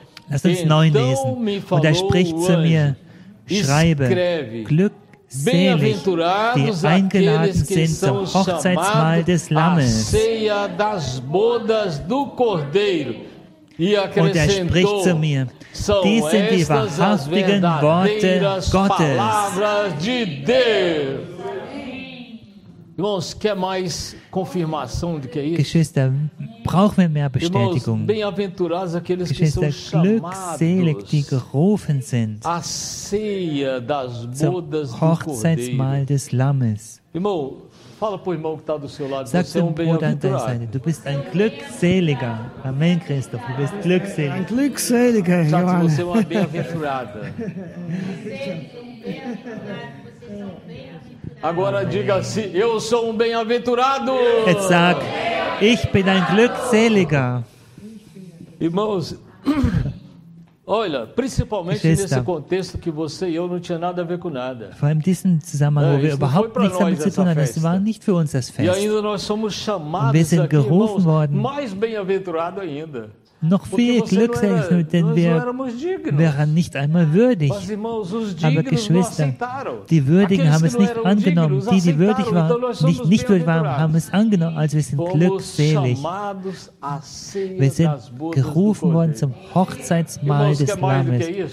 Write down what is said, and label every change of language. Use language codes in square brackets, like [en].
[de] Lass uns 9 lesen. Und er spricht zu mir: Schreibe, glückselig, die eingeladen sind zum Hochzeitsmahl des Lammes. Und er spricht zu mir: Dies sind die wahrhaftigen Worte Gottes. [pt] Irmãos, quer mais confirmação do que isso? [de] Geschwister, brauchen wir mehr Bestätigung? [pt] Bem-aventurados aqueles que são glückselig, [de] die gerufen sind. [pt] A ceia das bodas do [de] Hochzeitsmahl des Lammes. [pt] Irmão, fala pro irmão que está do seu lado, você é um bem-aventurado. [de] Du bist ein glückseliger. Amém, Christoph, du bist glückselig. Ein glückseliger, Johann. [pt] Sagt, você é uma bem-aventurada. Agora diga-se, eu sou um bem-aventurado. [de] Jetzt sag, ich bin ein glückseliger. [pt] Irmãos, olha, principalmente Geschwister, nesse contexto que você e eu não tinha nada a ver com nada. [de] Vor allem diesen Zusammenhang, wo wir überhaupt nichts damit zu tun hatten, es war nicht für uns das Fest. [pt] E ainda nós somos chamados [de] und wir sind gerufen [pt] aqui, [de] worden. [pt] Mais bem-aventurado ainda. [de] Noch viel glückseliger, denn wir waren nicht einmal würdig. Aber Geschwister, die Würdigen haben es nicht angenommen. Die würdig waren, nicht würdig waren, haben es angenommen. Also wir sind glückselig. Wir sind gerufen worden zum Hochzeitsmahl des Lammes.